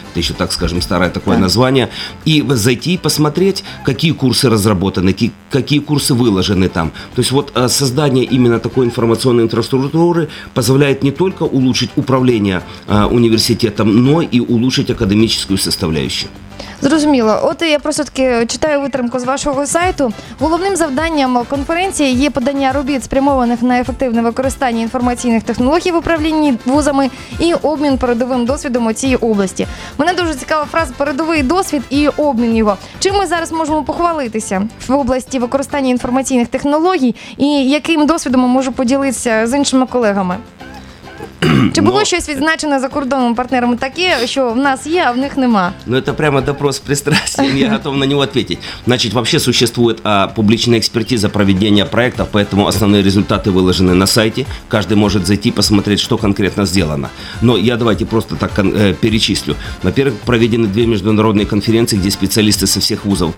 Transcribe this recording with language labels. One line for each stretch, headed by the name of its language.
Russian: Это еще, так скажем, старое такое название. И зайти и посмотреть, какие курсы разработаны, какие курсы выложены там. То есть вот создание именно такой информационной инфраструктуры позволяет не только улучшить управление университетом, но и улучшить академическую составляющую.
Ukrainian: Зрозуміло. От я просто таки читаю витримку з вашого сайту. Головним завданням конференції є подання робіт, спрямованих на ефективне використання інформаційних технологій в управлінні вузами і обмін передовим досвідом у цій області. Мене дуже цікава фраза «передовий досвід і обмін його». Чим ми зараз можемо похвалитися в області використання інформаційних технологій і яким досвідом можу поділитися з іншими колегами? Чи було щось відзначено за кордоном партнерами таке, що в нас є, а в них нема?
Russian: Ну, це прямо допрос пристрастия, я готов
Ukrainian: на нього
Russian: ответить. Значить, вообще существует публичная экспертиза проведения проектов, поэтому основные результаты выложены на сайте. Каждый может зайти, посмотреть, что конкретно сделано. Но я давайте просто так перечислю. Во-первых, проведены две международные конференции, где специалисты со всех вузов.